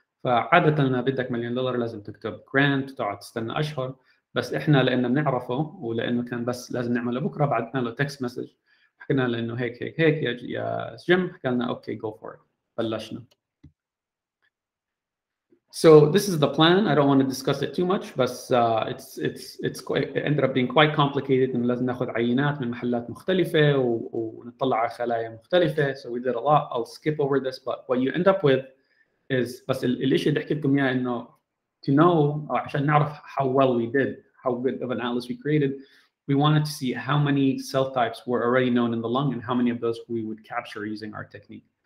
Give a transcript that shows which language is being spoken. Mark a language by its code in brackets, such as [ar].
[ar] فعادة لما بدك مليون دولار لازم تكتب جرانت وتقعد تستنى أشهر، بس إحنا لأننا بنعرفه ولأنه كان بس لازم نعمله بكرة بعدنا له تكست مسج حكينا لأنه هيك هيك هيك يا جيم، حكالنا [en] okay go for it, [ar] بلشنا. [en] So this is the plan. I don't want to discuss it too much, but it's quite, it ended up being quite complicated. [ar] And لازم ناخذ عينات من محلات مختلفة ونطلع على خلايا مختلفة. [en] So we did a lot. I'll skip over this, but what you end up with is [ar] بس الإشي اللي حكيتكم إياه إنه [en] to know [ar] أو عشان نعرف [en] how well we did, how good of an atlas we created, we wanted to see how many cell types were already known in the lung and how many of those we would capture using our technique.